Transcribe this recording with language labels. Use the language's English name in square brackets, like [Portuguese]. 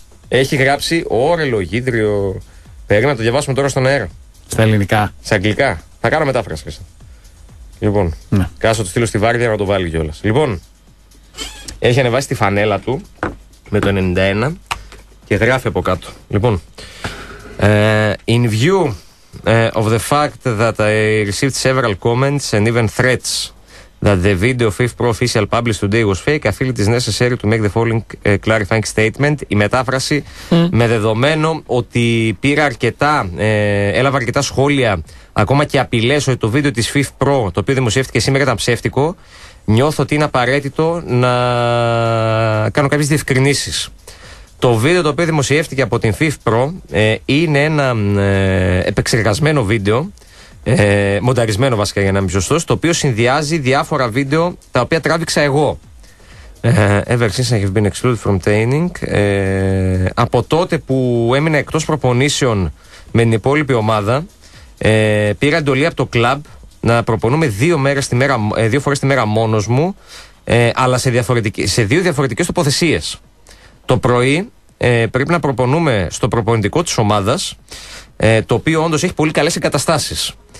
[Greek] Έχει γράψει όρελο γίδριο. Πρέπει να το διαβάσουμε τώρα στον αέρα. Στα ελληνικά. Σε αγγλικά. Θα κάνω μετάφραση. Λοιπόν. Ναι. Κάσω το στείλω στη βάρδια να το βάλει κιόλα. Λοιπόν. Έχει ανεβάσει τη φανέλα του με το 91 και γράφει από κάτω. Λοιπόν. [English] In view of the fact that I received several comments and even threats. That the video FIFA Pro official published today was fake. I feel it is necessary to make the following clarifying statement. [Greek] Η μετάφραση με δεδομένο ότι πήρα αρκετά, έλαβα αρκετά σχόλια, ακόμα και απειλές ότι το βίντεο της FIFA Pro, το οποίο δημοσιεύτηκε σήμερα, ήταν ψεύτικο. Νιώθω ότι είναι απαραίτητο να κάνω κάποιες διευκρινήσεις. Το βίντεο το οποίο δημοσιεύτηκε από την FIFA Pro είναι ένα επεξεργασμένο βίντεο. Μονταρισμένο βασικά για να είμαι σωστός, το οποίο συνδυάζει διάφορα βίντεο τα οποία τράβηξα εγώ. [English] Ever since I have been excluded from training. [Greek] Από τότε που έμεινα εκτός προπονήσεων με την υπόλοιπη ομάδα, πήρα εντολή από το κλαμπ να προπονούμε δύο φορές τη μέρα μόνος μου, αλλά σε δύο διαφορετικές τοποθεσίες. Το πρωί πρέπει να προπονούμε στο προπονητικό της ομάδας, το οποίο όντως έχει πολύ καλές εγκαταστάσεις.